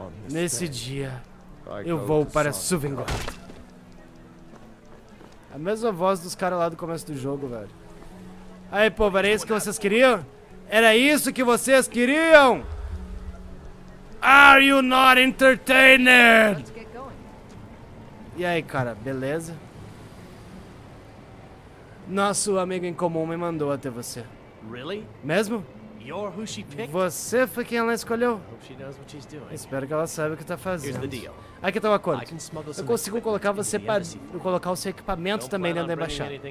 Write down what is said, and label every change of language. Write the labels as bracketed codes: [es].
[pt] Nesse dia, eu vou para Suvengor. A mesma voz dos caras lá do começo do jogo, velho. Aí, povo, era isso que vocês queriam? Era isso que vocês queriam? [en] Are you not entertained? [pt] E aí, cara, beleza? Nosso amigo em comum me mandou até você. [en] Really? [pt] Mesmo? Você foi quem ela escolheu. Espero que ela saiba o que está fazendo. Aqui está o acordo. Eu consigo colocar você para colocar o seu equipamento também dentro da embaixada.